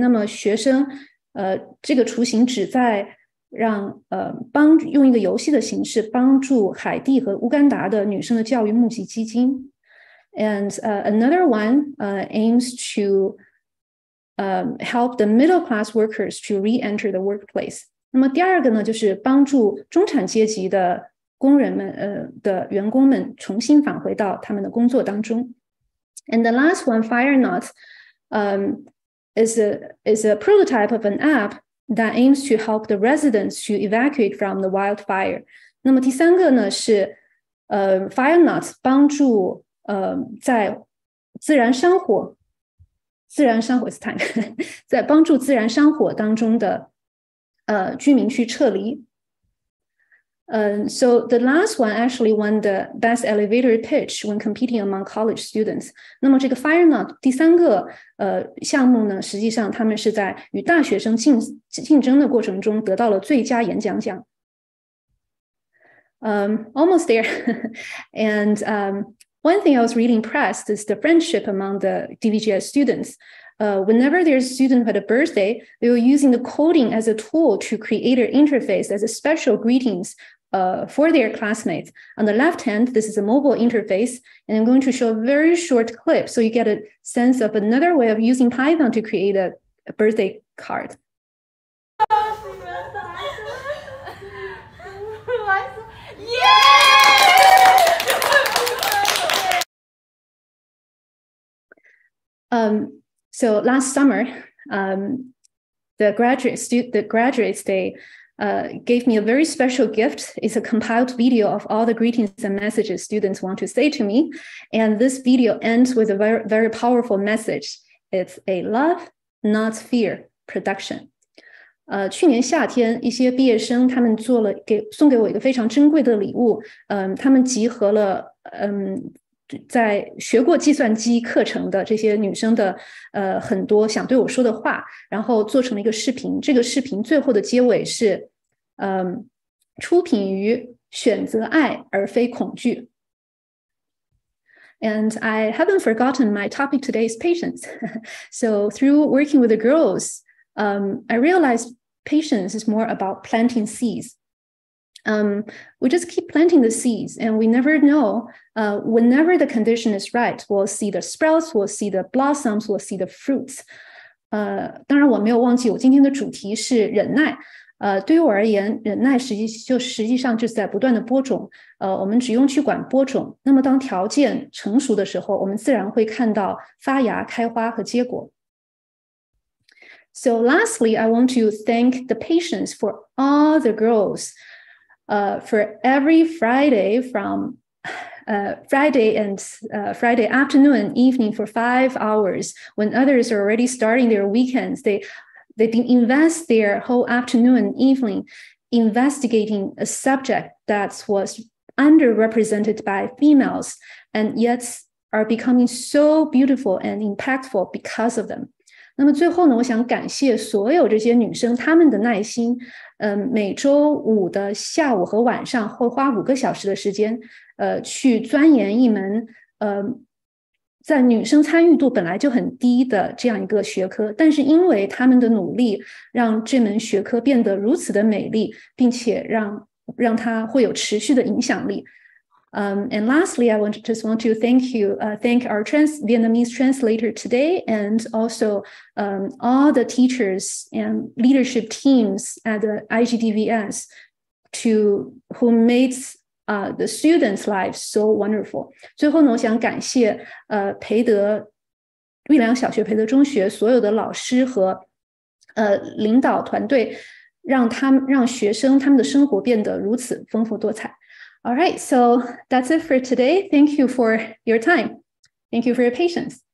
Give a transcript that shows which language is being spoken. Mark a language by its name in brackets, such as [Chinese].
[Chinese] 那么学生这个雏形旨在让帮用一个游戏的形式帮助海地和乌干达的女生的教育募集基金。 [English] And another one aims to help the middle class workers to re-enter the workplace. [Chinese] 那么第二个呢，就是帮助中产阶级的工人们，的员工们重新返回到他们的工作当中。 [English] And the last one, FireKnot, is a prototype of an app that aims to help the residents to evacuate from the wildfire. [Chinese] 那么第三个呢，是FireKnot 帮助在自然山火，自然山火 [English] is time [Chinese] 在帮助自然山火当中的。居民去撤离。 [English] So the last one actually won the best elevator pitch when competing among college students. [Chinese] 那么这个 FireKnot 第三个项目呢，实际上他们是在与大学生竞争的过程中得到了最佳演讲奖。 [English] Almost there. And one thing I was really impressed is the friendship among the DVGS students. Whenever there's a student who had a birthday, they were using the coding as a tool to create their interface as a special greetings for their classmates. On the left hand, this is a mobile interface, and I'm going to show a very short clip so you get a sense of another way of using Python to create a birthday card. So last summer, the graduates gave me a very special gift. It's a compiled video of all the greetings and messages students want to say to me. And this video ends with a very, very powerful message. It's a love, not fear production. [Chinese] 去年夏天，一些毕业生他们做了送给我一个非常珍贵的礼物。他们集合了在学过计算机课程的这些女生的很多想对我说的话，然后做成了一个视频。这个视频最后的结尾是出品于选择爱而非恐惧。 [English] And I haven't forgotten my topic today is patience. So through working with the girls, I realized patience is more about planting seeds. We just keep planting the seeds, and we never know. Whenever the condition is right, we'll see the sprouts, we'll see the blossoms, we'll see the fruits. [Chinese] 当然我没有忘记我今天的主题是忍耐。对于我而言，忍耐实际上就是在不断的播种。我们只用去管播种，那么当条件成熟的时候，我们自然会看到发芽、开花和结果。 [English] So lastly, I want to thank the patients for all the girls. For every Friday from Friday and Friday afternoon and evening for 5 hours, when others are already starting their weekends, they invest their whole afternoon and evening investigating a subject that was underrepresented by females and yet are becoming so beautiful and impactful because of them. [Chinese] 那么最后呢，我想感谢所有这些女生她们的耐心，每周五的下午和晚上会花五个小时的时间，去钻研一门，在女生参与度本来就很低的这样一个学科，但是因为她们的努力让这门学科变得如此的美丽，并且让它会有持续的影响力。 [English] And lastly, I just want to thank you, thank our Vietnamese translator today, and also all the teachers and leadership teams at the IGDVS who made the students' lives so wonderful. [Chinese] 最后呢，我想感谢培德玉良小学、培德中学所有的老师和领导团队，让学生他们的生活变得如此丰富多彩。 [English] All right, so that's it for today. Thank you for your time. Thank you for your patience.